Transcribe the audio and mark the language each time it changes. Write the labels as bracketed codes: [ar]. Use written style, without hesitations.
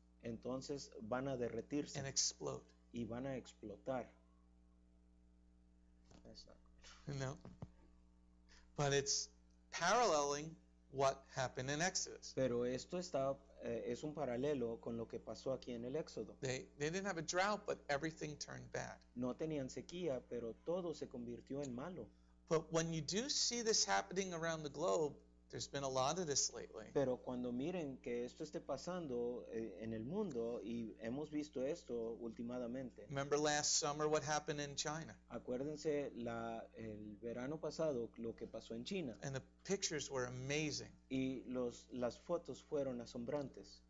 [es] Entonces van a derretirse. [en] And explode. [es] Y van a explotar. [en] No. But it's paralleling what happened in Exodus. [es] Pero esto está es un paralelo con lo que pasó aquí en el Éxodo. [en] They didn't have a drought, but everything turned bad. [es] No tenían sequía, pero todo se convirtió en malo. [en] But when you do see this happening around the globe, there's been a lot of this lately. [es] Pero cuando miren que esto esté pasando en el mundo y hemos visto esto últimamente. [en] Remember last summer what happened in China. [es] Acuérdense el verano pasado lo que pasó en China. [en] And the pictures were amazing. [es] Y las fotos fueron asombrantes.